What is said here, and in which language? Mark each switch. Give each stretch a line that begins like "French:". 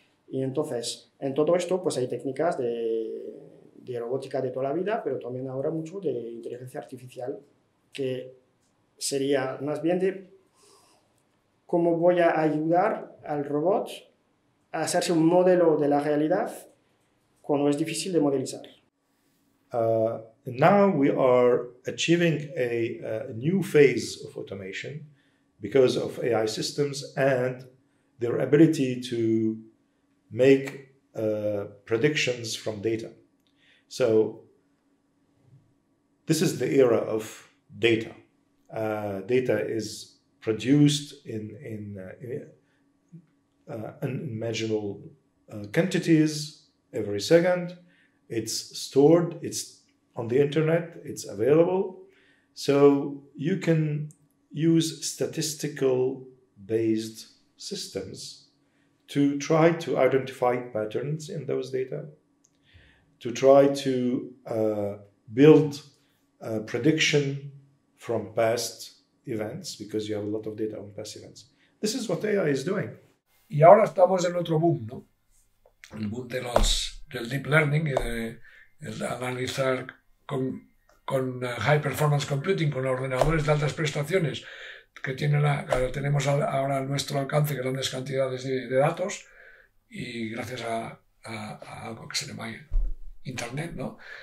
Spanish: Y entonces, en todo esto, pues hay técnicas de robótica de toda la vida, pero también ahora mucho de inteligencia artificial, que sería más bien de cómo voy a ayudar al robot a hacerse un modelo de la realidad cuando es difícil de modelizar.
English: Now we are achieving a new phase of automation because of AI systems and their ability to make predictions from data. So this is the era of data. Data is produced in unimaginable quantities every second. It's stored, it's on the internet, it's available. So you can use statistical based systems to try to identify patterns in those data, to try to build a prediction from past events, because you have a lot of data on past events. This is what AI is doing.
Spanish: Y ahora estamos en otro boom, ¿no? El boom de del deep learning, el analizar con
English: high performance computing,
Spanish: con ordenadores de altas prestaciones, que tenemos ahora a nuestro alcance grandes cantidades de datos, y gracias a algo que se llama Internet, ¿no?